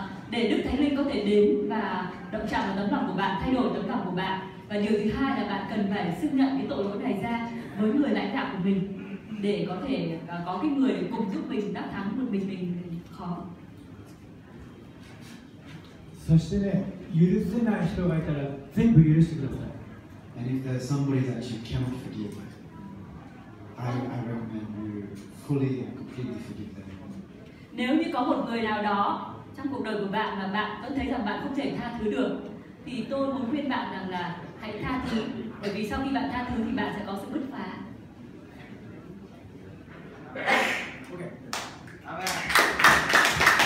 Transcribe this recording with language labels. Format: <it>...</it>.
<vi>Để Đức Thánh Linh có thể đến và động chạm vào tấm lòng của bạn, thay đổi tấm lòng của bạn. Và điều thứ hai là bạn cần phải xưng nhận cái tội lỗi này ra với người lãnh đạo của mình, để có thể có cái người cùng giúp mình đắc thắng một mình khó.</vi> <ja>そしてね、許せない人がいたら全部許してください。</ja> <en>And if there's somebody that you cannot forgive, I recommend you fully and completely forgive them.</en> <vi>Nếu như có một người nào đó trong cuộc đời của bạn mà bạn vẫn thấy rằng bạn không thể tha thứ được, thì tôi muốn khuyên bạn rằng là hãy tha thứ, bởi vì sau khi bạn tha thứ thì bạn sẽ có sự bứt phá.</vi> <en>Okay. Amen.</en>